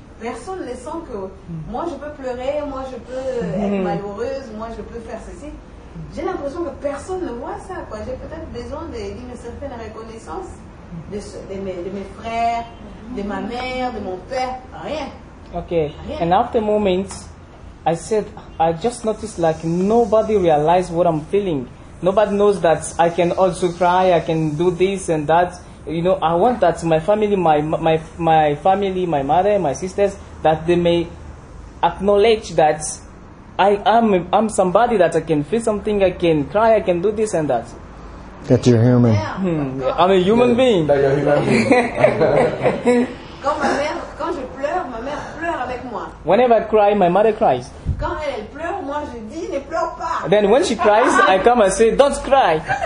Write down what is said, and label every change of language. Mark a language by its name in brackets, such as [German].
[French] Personne ne sent que moi je peux pleurer, moi je peux être malheureuse, moi je peux faire ceci. J'ai l'impression que personne ne voit ça, quoi. J'ai peut-être besoin d'une certaine reconnaissance de mes frères, de ma mère, de mon père, rien. Okay. Rien. [English] And after a moment, I said, I just noticed like nobody realized what I'm feeling. Nobody knows that I can also cry, I can do this and that. You know, I want that my family, my family, my mother, my sisters, that they may acknowledge that I'm somebody, that I can feel something, I can cry, I can do this and that. That you're human. I'm a human being. That you're human being. [French] Quand je pleure, ma mère pleure avec moi. [English] Whenever I cry, my mother cries. [French] Quand elle pleure, moi je dis, ne pleure pas. [English] Then when she cries, I come and say, don't cry.